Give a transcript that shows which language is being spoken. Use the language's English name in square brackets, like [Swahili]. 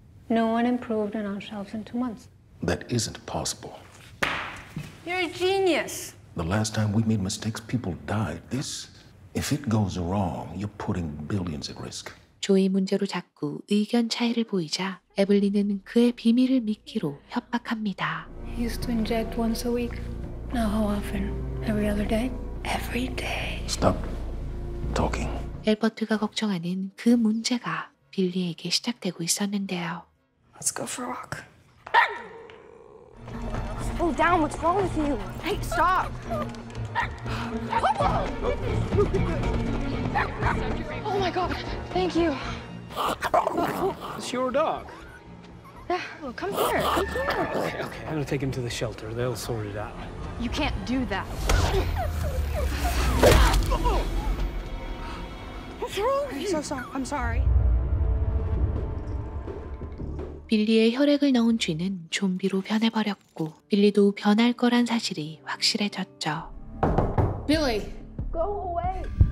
[English] No one improved on our shelves in 2 months. That isn't possible. You're a genius. The last time we made mistakes, people died. This, if it goes wrong, you're putting billions at risk. [Korean] 조이 문제로 자꾸 의견 차이를 보이자 에블린은 그의 비밀을 믿기로 협박합니다. [English] He used to inject once a week. Now how often? Every other day? Every day. Stop talking. [Korean] 엘버트가 걱정하는 그 문제가 빌리에게 시작되고 있었는데요. [English] Let's go for a walk. Slow down, what's wrong with you? Hey, stop! Oh my god, thank you. It's your dog. Yeah, well, come here, come here. Okay, I'm gonna take him to the shelter. They'll sort it out. You can't do that. What's wrong with you? I'm so sorry, I'm sorry. [Korean] 빌리의 혈액을 넣은 쥐는 좀비로 변해버렸고 빌리도 변할 거란 사실이 확실해졌죠. [English] Billy, go away.